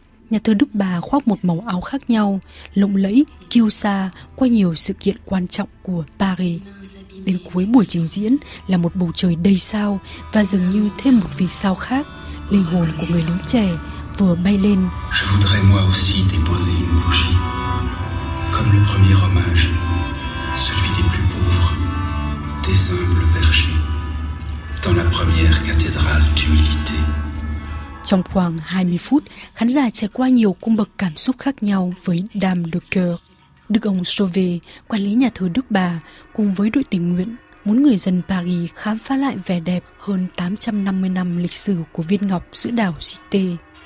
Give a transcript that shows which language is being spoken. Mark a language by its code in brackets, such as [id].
[vi] Nhà thờ Đức Bà khoác một màu áo khác nhau, lộng lẫy, kiêu sa qua nhiều sự kiện quan trọng của Paris. Đến cuối buổi trình diễn là một bầu trời đầy sao và dường như thêm một vì sao khác, linh hồn của người lính trẻ vừa bay lên. [fr] Je voudrais moi aussi déposer une bougie, comme le premier hommage, celui des plus pauvres, des humbles bergers, dans la première cathédrale d'humilité. [vi] Trong khoảng 20 phút, khán giả trải qua nhiều cung bậc cảm xúc khác nhau với Dame de Coeur. Đức ông Sauvet, quản lý nhà thờ Đức Bà, cùng với đội tình nguyện, muốn người dân Paris khám phá lại vẻ đẹp hơn 850 năm lịch sử của viên ngọc giữa đảo Cité.